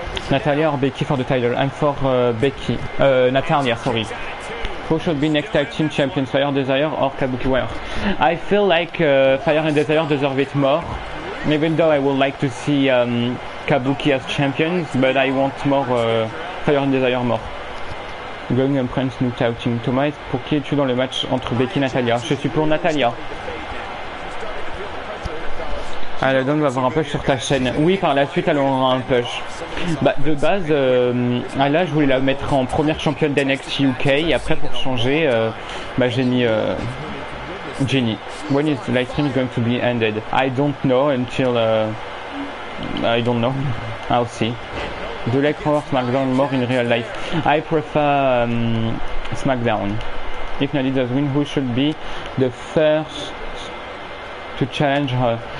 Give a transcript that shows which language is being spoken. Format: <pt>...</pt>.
<en>Natalia or Becky for the title? I'm for Becky. Natalia, sorry. Who should be next tag team champions, Fire Desire or Kabuki Warrior? I feel like Fire and Desire deserve it more. Even though I would like to see Kabuki as champions, but I want more Fire and Desire more. Going and Prince new tag team.</en> <fr>Thomas, pour qui es-tu dans le match entre Becky et Natalia? Je suis pour Natalia. Alors donc, on va avoir un push sur ta chaîne. Oui, par la suite, elle aura un push. Bah, de base, là, je voulais la mettre en première championne d'NXT UK. Et après, pour changer, j'ai mis Jenny.</fr> <en>When is the live stream going to be ended? I don't know until... I don't know. I'll see. Do you like Raw or SmackDown more in real life? I prefer SmackDown. If Nadia does win, who should be the first to challenge her?</en>